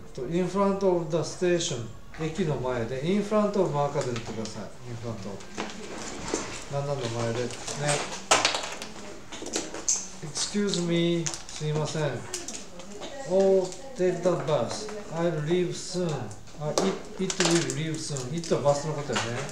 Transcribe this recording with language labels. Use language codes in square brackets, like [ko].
[en] in front of the station、 [ja] 駅の前で、 [en] in front of [ja] マーカーで言ってください。 [en] in front of [ja] 何々の前でね。 [en] excuse me、 [ja] すいません。 [en] oh, take that bus、 I'll leave soon、 it will leave soon、 it [ja] はバスのことよね。